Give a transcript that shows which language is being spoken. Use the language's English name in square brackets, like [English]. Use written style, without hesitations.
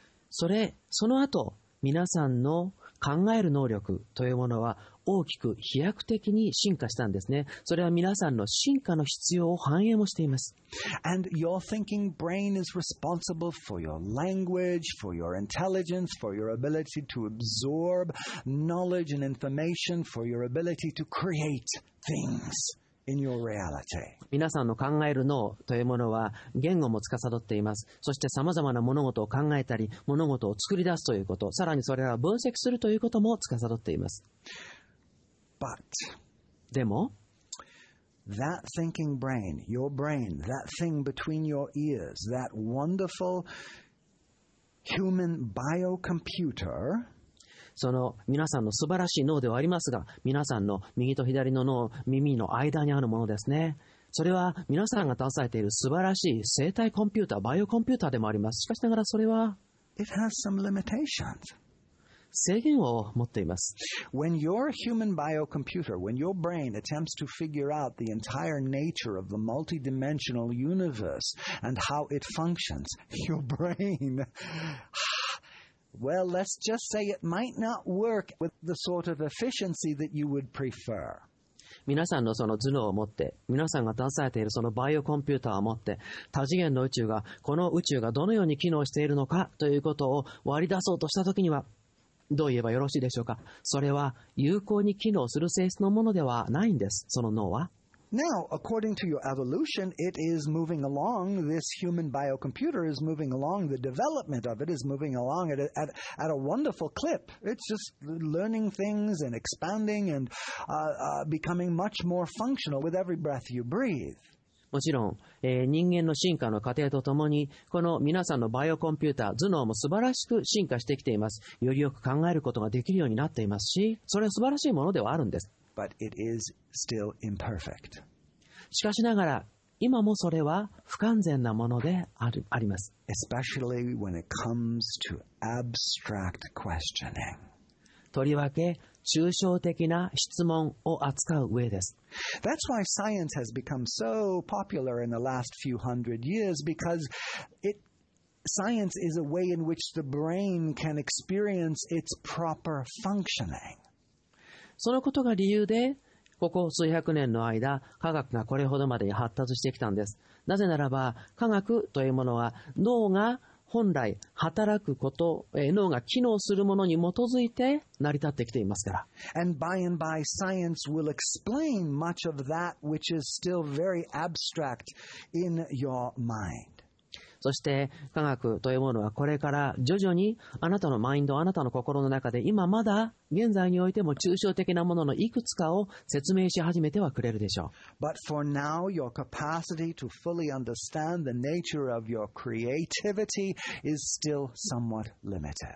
[Japanese] それ、その後、皆さんの考える能力というものは大きく飛躍的に進化したんですね。それは皆さんの進化の必要を反映もしています。 [English] And your thinking brain is responsible for your language, for your intelligence, for your ability to absorb knowledge and information, for your ability to create things. In your reality. [Japanese] 皆さんの考える脳というものは言語も司っています。そして様々な物事を考えたり物事を作り出すということ、さらにそれらを分析するということも司っています。 [English] But, [Japanese] でも [English] that thinking brain, your brain, that thing between your ears, that wonderful human biocomputer [Japanese] その皆さんの素晴らしい脳ではありますが、皆さんの右と左の脳、耳の間にあるものですね。それは皆さんが携えている素晴らしい生体コンピューター、バイオコンピューターでもあります。しかしながらそれは、 [English] It has some limitations. [Japanese] 制限を持っています。 [English] When your human biocomputer, when your brain attempts to figure out the entire nature of the multidimensional universe and how it functions, your brain... Well, let's just say it might not work with the sort of efficiency that you would prefer. [Japanese] 皆さんのその頭脳を持って、皆さんが携えているそのバイオコンピューターを持って、多次元の宇宙が、この宇宙がどのように機能しているのかということを割り出そうとしたときには、どう言えばよろしいでしょうか。それは有効に機能する性質のものではないんです、その脳は。 [English] Now, according to your evolution, it is moving along. This human biocomputer is moving along. The development of it is moving along at a wonderful clip. It's just learning things and expanding and becoming much more functional with every breath you breathe. [Japanese] もちろん、人間の進化の過程とともに、この皆さんのバイオコンピューター、頭脳も素晴らしく進化してきています。よりよく考えることができるようになっていますし、それは素晴らしいものではあるんです。 [English] But it is still imperfect. [Japanese] しかしながら、今もそれは不完全なものである、あります。 [English] Especially when it comes to abstract questioning. [Japanese] とりわけ抽象的な質問を扱う上です。 [English] That's why science has become so popular in the last few hundred years because science is a way in which the brain can experience its proper functioning. [Japanese] そのことが理由で、ここ数百年の間、科学がこれほどまでに発達してきたんです。なぜならば、科学というものは脳が本来働くこと、脳が機能するものに基づいて成り立ってきていますから。 [English] And by and by, science will explain much of that which is still very abstract in your mind. [Japanese] そして科学というものはこれから徐々にあなたのマインド、あなたの心の中で今まだ現在においても抽象的なもののいくつかを説明し始めてはくれるでしょう。 [English] But for now, your capacity to fully understand the nature of your creativity is still somewhat limited.